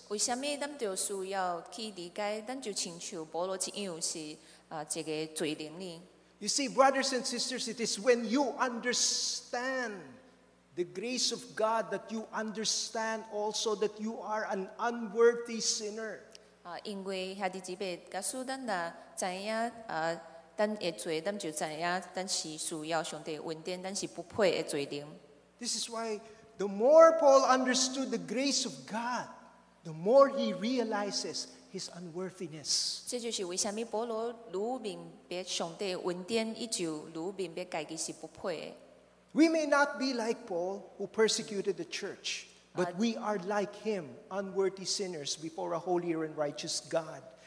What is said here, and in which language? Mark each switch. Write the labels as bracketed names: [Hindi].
[Min Nan Chinese] 为什么咱就需要去理解？咱就亲像保罗一样是这个罪人呢 [English] ？You see, brothers and sisters, it is when you understand the grace of God that you understand also that you are an unworthy sinner. [Min Nan Chinese] 因为兄弟姊妹，假使咱呐知影，咱的罪，咱就知影，咱是需要上帝恩典，咱是不配的罪人。 [English] This is why the more Paul understood the grace of God, the more he realizes his unworthiness. [Min Nan Chinese] 这就是为什么保罗愈明白上帝恩典，伊就愈明白家己是不配的。 [English] We may not be like Paul who persecuted the church. But we are like him, unworthy sinners before a holy and righteous God.